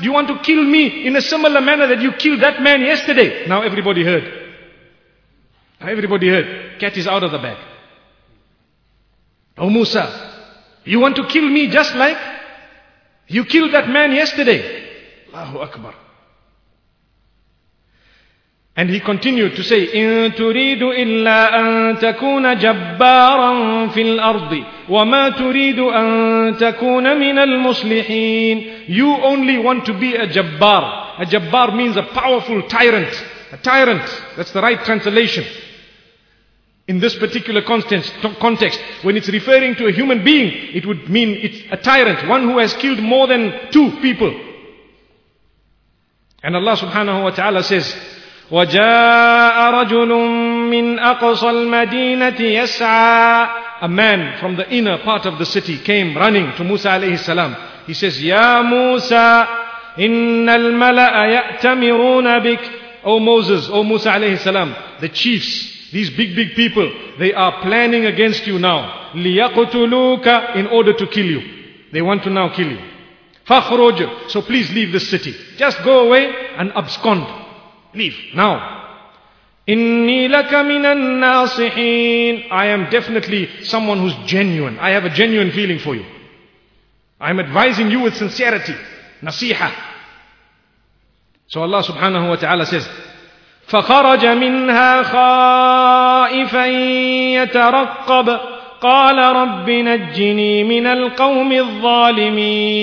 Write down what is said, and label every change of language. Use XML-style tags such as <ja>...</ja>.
<en>Do you want to kill me in a similar manner that you killed that man yesterday? Now everybody heard. Now everybody heard. Cat is out of the bag. Oh Musa, you want to kill me just like You killed that man yesterday. Allahu Akbar. And he continued to say,</en> <ar>إِن تُرِيدُ إِلَّا أَن تَكُونَ جَبَّارًا فِي الْأَرْضِ وَمَا تُرِيدُ أَن تَكُونَ مِنَ الْمُصْلِحِينَ.</ar> <en>You only want to be a jabbar. A jabbar means a powerful tyrant. A tyrant, that's the right translation. In this particular context, when it's referring to a human being, it would mean it's a tyrant, one who has killed more than two people. And Allah subhanahu wa ta'ala says,</en> <ar>وَجَاءَ رَجُلٌ مِّنْ أَقْصَى الْمَدِينَةِ يَسْعَى.</ar> <en>A man from the inner part of the city came running to Musa alayhi salam. He says,</en> <ar>يَا مُوسَى إِنَّ الْمَلَأَ يَأْتَمِرُونَ بِكَ.</ar> <en>O Moses, O Musa alayhi salam, the chiefs, these big people, they are planning against you now.</en> <ar>لِيَقْتُلُوكَ,</ar> <en>in order to kill you. They want to now kill you.</en> <ar>فَخْرُوجَ,</ar> <en>so please leave this city. Just go away and abscond. Leave now.</en> <ar>إِنِّي لَكَ مِنَ النَّاصِحِينَ.</ar> <en>I am definitely someone who's genuine. I have a genuine feeling for you. I'm advising you with sincerity.</en> <ar>Nasiha.</ar> <en>So Allah subhanahu wa ta'ala says,</en> <ar>فَخَرَجَ مِنْهَا خَائِفًا يَتَرَقَّبَ قَالَ رَبِّ نَجِّنِي مِنَ الْقَوْمِ الظَّالِمِينَ.</ar>